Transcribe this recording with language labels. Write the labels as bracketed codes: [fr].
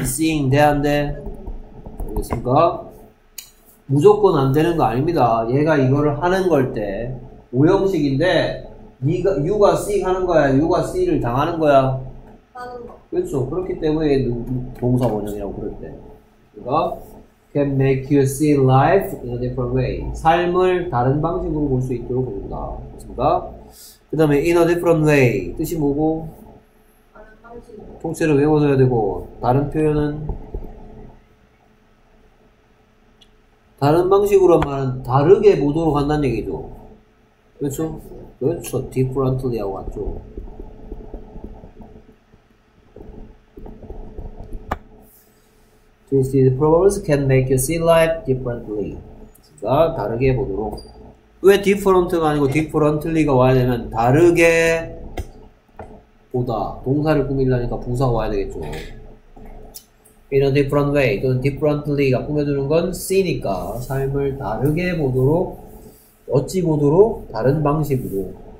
[ko] seeing 대한데, 알겠습니까? 무조건 안 되는 거 아닙니다. 얘가 이거를 하는 걸 때, 오형식인데, 유가 see 하는 거야. 유가 see를 당하는 거야. 하는 거. 그렇죠. 그렇기 때문에 동사 원형이라고 그럴 때. 그러니까 [en] can make you see life in a different way. [ko] 삶을 다른 방식으로 볼 수 있도록 해준다. 맞습니다. 그 다음에 [en] in a different way. [ko] 뜻이 뭐고? 다른 방식으로. 통째로 외워둬야 되고, 다른 표현은? 다른 방식으로 말은 다르게 보도록 한다는 얘기죠. 그렇죠? 그렇죠. differently 하고 왔죠. [en] 'Twisted proverbs can make you see life differently. [ko] 그러니까 다르게 보도록. 왜 different가 아니고 differently가 와야 되면 다르게 보다. 동사를 꾸밀라니까 부사가 와야 되겠죠. [en] In a different way [ko] 또는 differently가 꾸며주는 건 see니까 삶을 다르게 보도록, 어찌 보도록, 다른 방식으로.